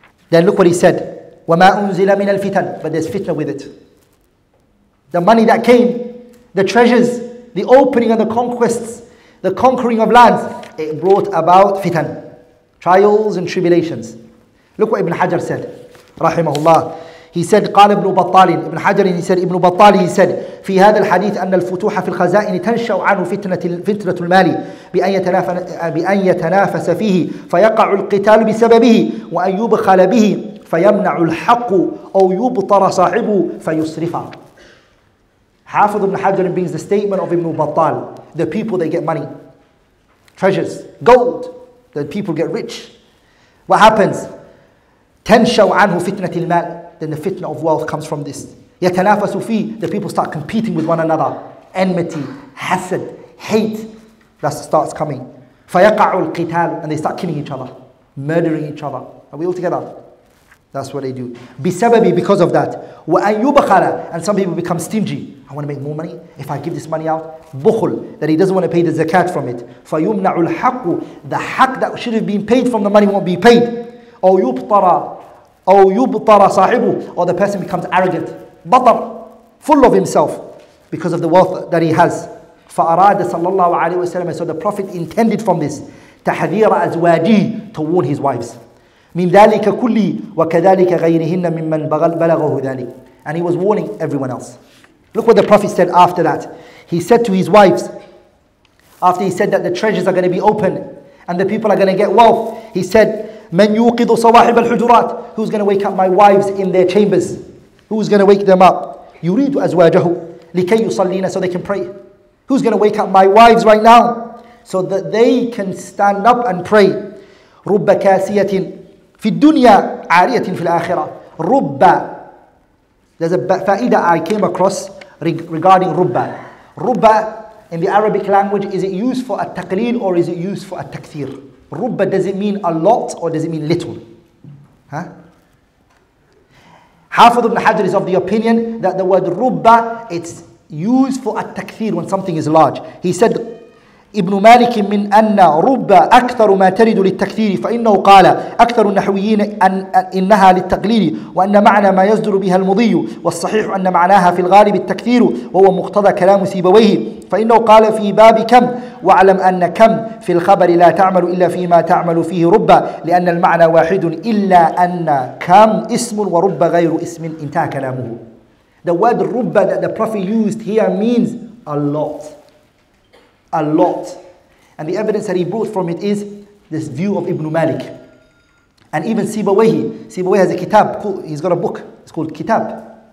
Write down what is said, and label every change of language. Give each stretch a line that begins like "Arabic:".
English: Then look what he said.
Arabic: وَمَا أُنزِلَ مِنَ الْفِتَنِ.
English: But there's fitna with it. The money that came, the treasures, the opening and the conquests, the conquering of lands, it brought about fitan, trials and tribulations. Look what Ibn Hajar said, rahimahullah. He said,
Arabic: قال ابن بطال, ابن حجر, he said, ابن بطال, he said, في هذا الحديث أن الفتوح في الخزائن تنشأ عنه فتنة المال بأن يتنافس فيه فيقع القتال بسببه وأن يبخل به فيمنع الحق أو يبطر صاحبه فيصرف.
English: حافظ ابن حجر brings the statement of ابن بطال. The people, they get money, treasures, gold, the people get rich. What happens?
Arabic: تنشأ عنه فتنة المال.
English: Then the fitna of wealth comes from this.
Arabic: يَتَنَافَسُ فِي.
English: The people start competing with one another. Enmity, hasad, hate, that starts coming.
Arabic: فَيَقَعُ الْقِتَالِ.
English: And they start killing each other, murdering each other. Are we all together? That's what they do. بِسَبَبِ, because of that.
Arabic: وَأَنْ يُبَخَلَ.
English: And some people become stingy. I want to make more money. If I give this money out, بُخُل. That he doesn't want to pay the zakat from it.
Arabic: فَيُمْنَعُ الْحَقُ.
English: The haq that should have been paid from the money won't be paid.
Arabic: أَوْ يُبْطَرَ. أو يبطر صاحبه,
English: or the person becomes arrogant, بطر, full of himself, because of the wealth that he has.
Arabic: فأراد صلى الله عليه وسلم,
English: so the Prophet intended from this,
Arabic: تحذير أزواجه,
English: to warn his wives.
Arabic: من ذلك كله وكذلك غيرهن ممن بلغه ذلك.
English: And he was warning everyone else. Look what the Prophet said after that. He said to his wives, after he said that the treasures are going to be open and the people are going to get wealth, he said,
Arabic: من يوقظ صواحب الحجرات.
English: Who's going to wake up my wives in their chambers? Who's going to wake them up?
Arabic: يريد أزواجه لكي يصلين,
English: so they can pray. Who's going to wake up my wives right now so that they can stand up and pray?
Arabic: رب كاسية في الدنيا عارية في الآخرة.
English: رب, there's a faida I came across regarding رب. رب in the Arabic language, is it used for التقليل or is it used for التكثير? رب, does it mean a lot or does it mean little? Huh? Hafidh ibn Hajr is of the opinion that the word rubba, it's used for at-takthir, when something is large. He said,
Arabic: ابن مالك من أن رب أكثر ما ترد للتكثير، فإنه قال أكثر النحويين أن إنها للتقليل، وأن معنى ما يصدر بها المضي، والصحيح أن معناها في الغالب التكثير، وهو مقتضى كلام سيبويه، فإنه قال في باب كم: واعلم أن كم في الخبر لا تعمل إلا فيما تعمل فيه رب، لأن المعنى واحد، إلا أن كم اسم ورب غير اسم. انتهى كلامه.
English: The word رب that the prophet used here means a lot. A lot. And the evidence that he brought from it is this view of Ibn Malik. And even Sibawayhi. Sibawayhi has a kitab. He's got a book. It's called Kitab.